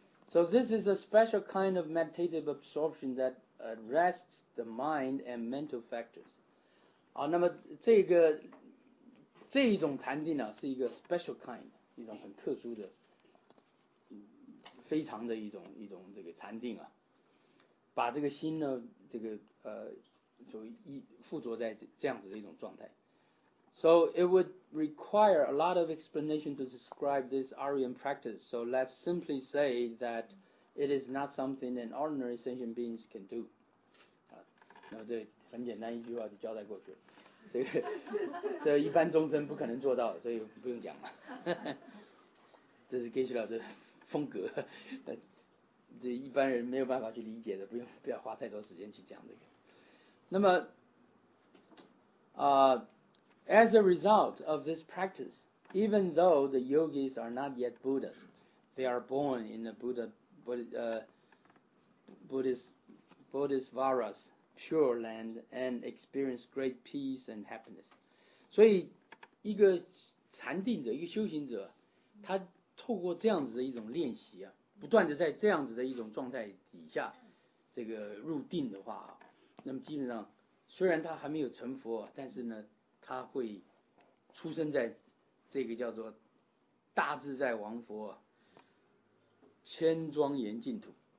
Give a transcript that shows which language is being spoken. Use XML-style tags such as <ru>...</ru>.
<en>So this is a special kind of meditative absorption that arrests the mind and mental factors。</en> <zh>好，那么这一种禅定、啊、是一个</zh> <en>special kind，</en> <zh>一种很特殊的非常的一种这个禅定、啊、把这个心呢这个就附着在这样子的一种状态。</zh> <en>So it would require a lot of explanation to describe this Aryan practice. So let's simply say that it is not something an ordinary sentient beings can do.</en> <zh>那这很简单，一句话就交代过去了。这一般众生不可能做到，所以不用讲了。这是Geshe老师风格，这一般人没有办法去理解的，不要花太多时间去讲这个。</zh> <en>那么，As a result of this practice, even though the yogis are not yet Buddhas, they are born in the Bodhisvara's pure land and experience great peace and happiness.</en> <zh>所以一个禅定者，一个修行者，他透过这样子的一种练习啊，不断的在这样子的一种状态底下，这个入定的话，那么基本上虽然他还没有成佛，但是呢他会出生在这个叫做大自在王佛千庄严净土，</zh>